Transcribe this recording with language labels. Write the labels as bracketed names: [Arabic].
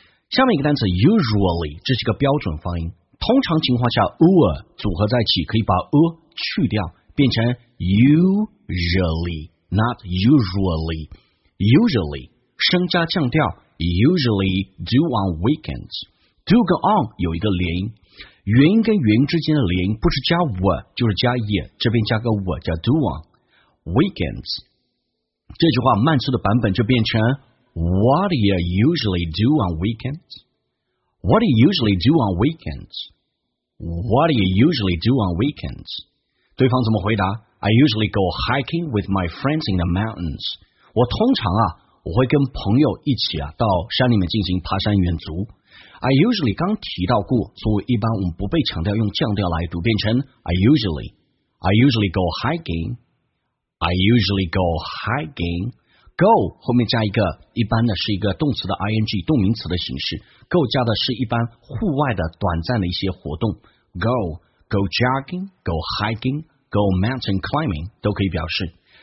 [Chinese] 下面一个单词 usually 这是个标准发音，通常情况下 u 组合在一起可以把 u 去掉，变成 [English] usually not usually usually [Chinese] 升加降调 [English] usually do on weekends [Chinese] do 跟 on 有一个连音。元音跟元音之间的连音不是加 w 就是加 ye， 这边加个 w 叫 [English] do on weekends， [Chinese] 这句话慢速的版本就变成 [English] What do you usually do on weekends? What do you usually do on weekends? What do you usually do on weekends? [Chinese] 对方怎么回答？ [English] I usually go hiking with my friends in the mountains， [Chinese] 我通常啊我会跟朋友一起啊到山里面进行爬山远足。 [English] I usually 刚提到过，所以一般我们不被强调用降调来读，变成 I usually go hiking [Chinese] I usually go hiking go 后面加一个一般的是一个动词的 ing 动名词的形式， go 加的是一般户外的短暂的一些活动， [English] go jogging go hiking go mountain climbing [Chinese] 都可以表示。